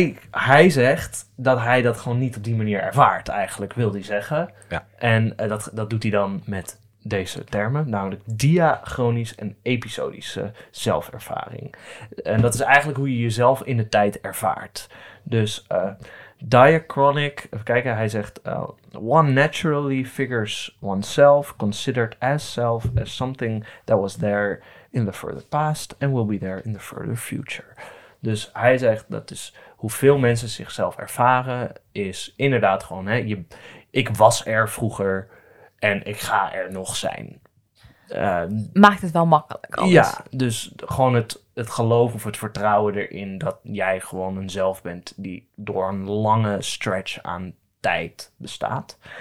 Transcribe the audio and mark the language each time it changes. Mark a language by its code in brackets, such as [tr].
[nl] Hij zegt dat hij dat gewoon niet op die manier ervaart, eigenlijk, wil hij zeggen. Ja. En dat doet hij dan met deze termen, namelijk diachronisch en episodische zelfervaring. En dat is eigenlijk hoe je jezelf in de tijd ervaart. Dus... diachronic, even kijken, hij zegt... [en] one naturally figures oneself, considered as self, as something that was there in the further past and will be there in the further future. [nl] Dus hij zegt, dat is hoeveel mensen zichzelf ervaren, is inderdaad gewoon... Hè, ik was er vroeger en ik ga er nog zijn. Maakt het wel makkelijk. Anders. Ja, dus gewoon het geloof of het vertrouwen erin dat jij gewoon een zelf bent die door een lange stretch aan tijd bestaat.